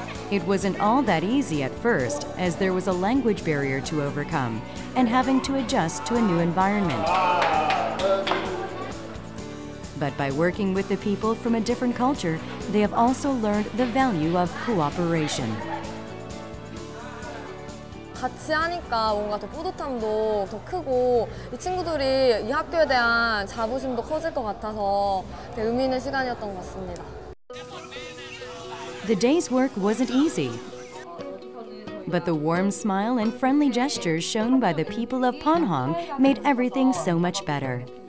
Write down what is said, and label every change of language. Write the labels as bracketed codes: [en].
[en] It wasn't all that easy at first, as there was a language barrier to overcome and having to adjust to a new environment. But by working with the people from a different culture, they have also learned the value of cooperation. [ko] 같이 하니까 뭔가 더 뿌듯함도 더 크고 이 친구들이 이 학교에 대한 자부심도 커질 것 같아서 되게 의미 있는 시간이었던 것 같습니다. [en] The day's work wasn't easy, but the warm smile and friendly gestures shown by the people of Ponhong made everything so much better.